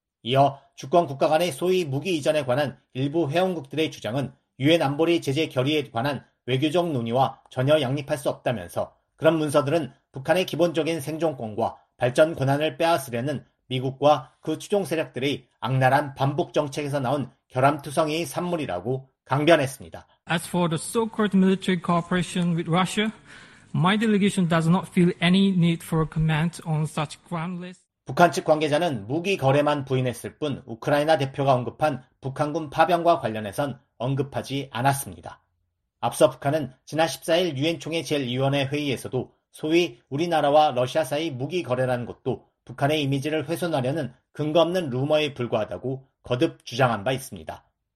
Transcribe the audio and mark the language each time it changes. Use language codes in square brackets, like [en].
[ko] 이어 주권 국가 간의 소위 무기 이전에 관한 일부 회원국들의 주장은 유엔 안보리 제재 결의에 관한 외교적 논의와 전혀 양립할 수 없다면서 그런 문서들은 북한의 기본적인 생존권과 발전 권한을 빼앗으려는 미국과 그 추종 세력들의 악랄한 반복 정책에서 나온 결함투성이의 산물이라고 강변했습니다. [en] As for the so-called military cooperation with Russia, my delegation does not feel any need for a comment on such groundless. [ko] 북한 측 관계자는 무기 거래만 부인했을 뿐 우크라이나 대표가 언급한 북한군 파병과 관련해선 언급하지 않았습니다. 앞서 북한은 지난 14일 유엔총회 제1위원회 회의에서도 소위 우리나라와 러시아 사이 무기 거래라는 것도 북한의 이미지를 훼손하려는 근거 없는 루머에 불과하다고 거듭 주장한 바 있습니다.